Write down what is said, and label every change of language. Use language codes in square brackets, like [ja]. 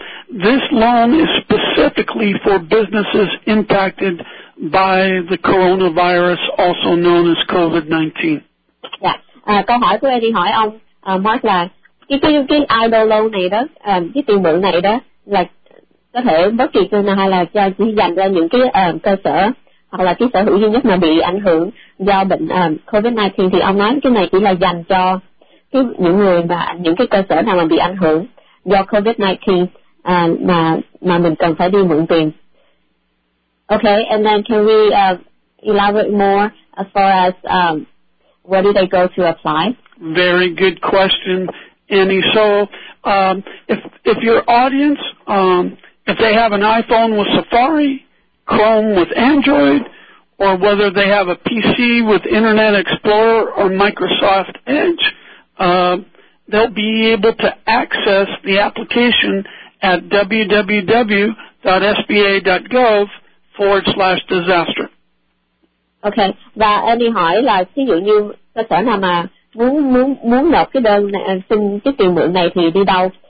[en] This loan is specifically for businesses impacted by the coronavirus, also known as COVID-19. Dạ. Yeah. [vi] Câu hỏi của Eddie hỏi ông Mark là cái IDO loan này đó, cái tiền mượn này đó là có thể bất kỳ cơ nào hay là cho chỉ dành cho những cái cơ sở hoặc là cái sở hữu duy nhất mà bị ảnh hưởng do bệnh COVID-19, thì ông nói cái này chỉ là dành cho cái những người mà những cái cơ sở nào mà bị ảnh hưởng do COVID-19 mà mình cần phải đi mượn tiền. [en] Okay, and then can we elaborate more as far as where do they go to apply? Very good question, Annie. So if your audience, if they have an iPhone with Safari, Chrome with Android, or whether they have a PC with Internet Explorer or Microsoft Edge, they'll be able to access the application at www.sba.gov/disaster. Okay. [vi] Và em đi hỏi là ví dụ như cơ sở nào mà muốn nộp cái đơn xin cái tiền mượn này thì đi đâu?